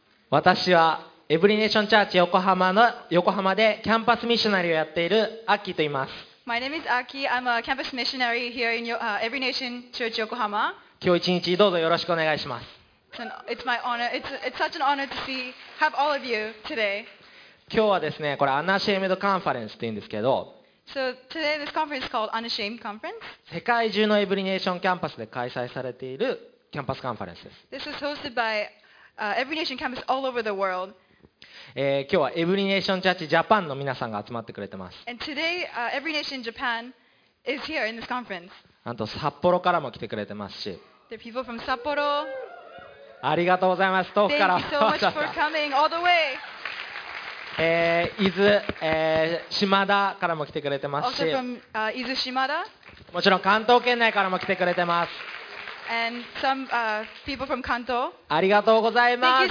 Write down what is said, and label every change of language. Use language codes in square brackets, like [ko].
[ja] 私はエブリネーションチャーチ横浜でキャンパスミッショナリーをやっているアッキーと言います。 [en] My name is Aki. I'm a campus missionary here in Every Nation Church Yokohama. [ja] 今日一日どうぞよろしくお願いします。 [en] It's my honor. It's such an honor to see have all of you today. [ja] 今日はですね、これアナシェームドカンファレンスって言うんですけど。 [en] So today this conference is called Unashamed Conference. [ja] 世界中のエブリネーションキャンパスで開催されているキャンパスカンファレンスです。 [en] This is hosted by Every Nation Campus all over the world. [ja] 今日はエブリネーションチャーチジャパンの皆さんが集まってくれてます。 [en] And today Every Nation Japan is here in this conference. [ja] あと札幌からも来てくれてますし。 [en] The people from Sapporo. [ja] ありがとうございます。遠くから。 [en] Thank you so much for coming all the way. [ja] 伊豆、島田からも来てくれてますし、 [en] also from, 伊豆島田、 [ja] もちろん関東圏内からも来てくれてます。 [en] And some, people from 関東、 [ja] ありがとうございます。